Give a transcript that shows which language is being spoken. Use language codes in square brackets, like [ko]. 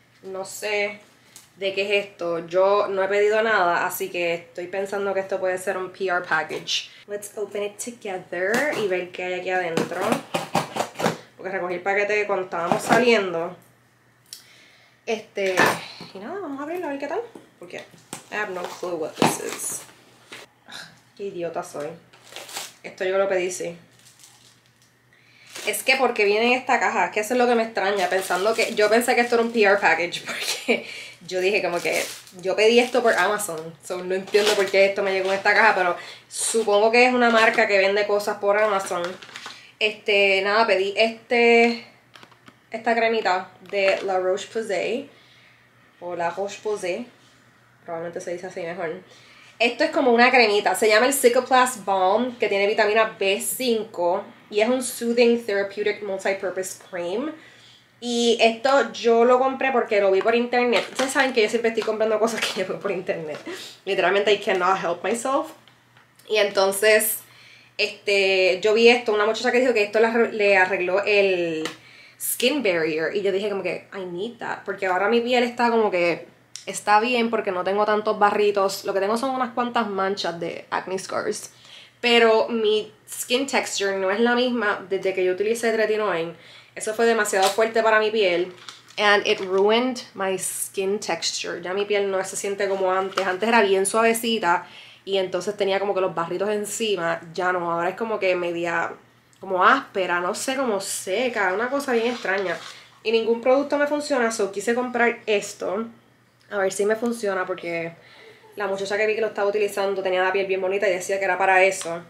[es] No sé de qué es esto. Yo no he pedido nada, así que estoy pensando que esto puede ser un PR package. [en] Let's open it together [es] y ver qué hay aquí adentro. Porque recogí el paquete cuando estábamos saliendo. Y nada, vamos a abrirlo a ver qué tal. Porque [en] I have no clue what this is. [es] Qué idiota soy. Esto yo lo pedí, sí. Es que porque viene en esta caja, que eso es lo que me extraña, pensando que yo pensé que esto era un PR package, porque yo dije como que yo pedí esto por Amazon. So, no entiendo por qué esto me llegó en esta caja, pero supongo que es una marca que vende cosas por Amazon. Nada, pedí esta cremita de La Roche-Posay, o La Roche-Posay. Probablemente se dice así mejor. Esto es como una cremita. Se llama el Cicaplast Balm, que tiene vitamina B5. Y es un Soothing Therapeutic Multipurpose Cream. Y esto yo lo compré porque lo vi por internet. Ustedes saben que yo siempre estoy comprando cosas que yo veo por internet. Literalmente, [en] I cannot help myself. [es] Y entonces, yo vi esto. Una muchacha que dijo que esto le arregló el skin barrier. Y yo dije como que, [en] I need that. [es] Porque ahora mi piel está como que, está bien porque no tengo tantos barritos. Lo que tengo son unas cuantas manchas de acne scars. Pero mi skin texture no es la misma desde que yo utilicé tretinoin. Eso fue demasiado fuerte para mi piel. [en] And it ruined my skin texture. [es] Ya mi piel no se siente como antes. Antes era bien suavecita. Y entonces tenía como que los barritos encima. Ya no, ahora es como que media, como áspera, no sé, como seca. Una cosa bien extraña. Y ningún producto me funciona. So quise comprar esto. A ver si me funciona, porque la muchacha que vi que lo estaba utilizando tenía la piel bien bonita y decía que era para eso.